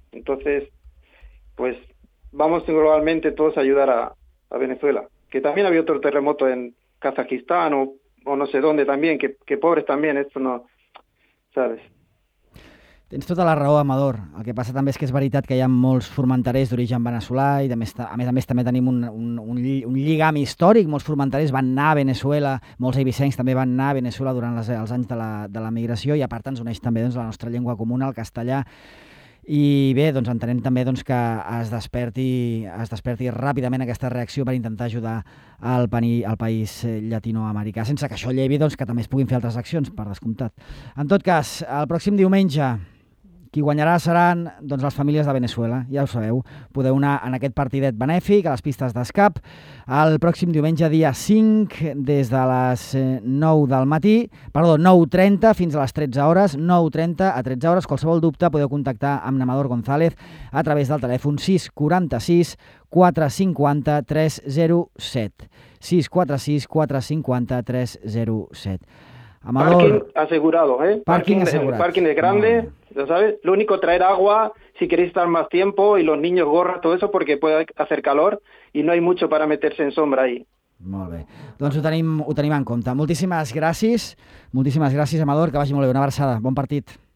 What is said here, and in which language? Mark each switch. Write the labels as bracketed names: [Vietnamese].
[Spanish] Entonces, pues vamos globalmente todos a ayudar a Venezuela. Que también había otro terremoto en Kazajistán o no sé dónde también, que pobres también, esto no, ¿sabes? [Catalan] Tens tota la raó, Amador. El que passa també és que és veritat que hi ha molts formenterers d'origen veneçolà i, a més, també tenim un lligam històric. Molts formenterers van anar a Venezuela, molts eivissencs també van anar a Venezuela durant els anys de la migració i, a part, ens uneix també doncs, la nostra llengua comuna, el castellà. I bé, doncs entenem també doncs, que es desperti ràpidament aquesta reacció per intentar ajudar el país llatinoamericà, sense que això llevi doncs, que també es puguin fer altres accions, per descomptat. En tot cas, el pròxim diumenge, qui guanyarà seran doncs, les famílies de Venezuela, ja ho sabeu. Podeu anar en aquest partidet benèfic a les pistes d'escap el pròxim diumenge dia 5 des de les 9 del matí, perdó, 9:30 fins a les 13 hores, 9:30 a 13 hores. Qualsevol dubte podeu contactar amb Amador González a través del telèfon 646-450-307. 646-450-307. [Spanish] Amador, parking asegurado, ¿eh? Parking asegurado. Parking es grande, ya sabes. Lo único, traer agua si queréis estar más tiempo y los niños gorras, todo eso, porque puede hacer calor y no hay mucho para meterse en sombra ahí. [Catalan] Molt bé. Doncs ho tenim en compte. Moltíssimes gràcies, Amador. Que vagi molt bé. Una abraçada. Bon partit.